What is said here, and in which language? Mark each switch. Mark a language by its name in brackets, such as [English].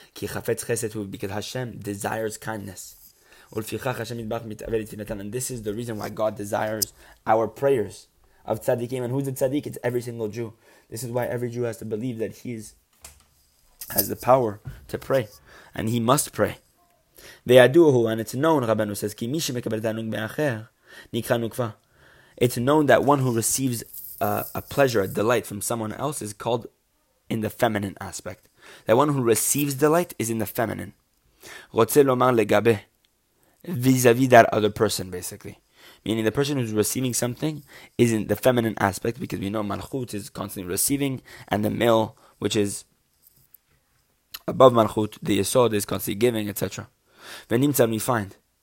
[Hebrew] Ki chafetz chesed hu, [English] because Hashem desires kindness. And this is the reason why God desires our prayers of tzaddikim. And who's a tzaddik? It's every single Jew. This is why every Jew has to believe that he has the power to pray. And he must pray. [Hebrew] וידוע הוא, [English] and it's known, [Hebrew] רבנו says, כי מי שמקבל תענוג מאחר, נקרא נוקבה. [English] It's known that one who receives a pleasure, a delight from someone else is called in the feminine aspect. That one who receives delight is in the feminine. [Hebrew] רוצה לומר לגבי, [English] vis-a-vis that other person, basically. Meaning the person who's receiving something is in the feminine aspect, because we know Malchut is constantly receiving, and the male, which is above Malchut, the Yesod, is constantly giving, etc. Venimtzal, we find.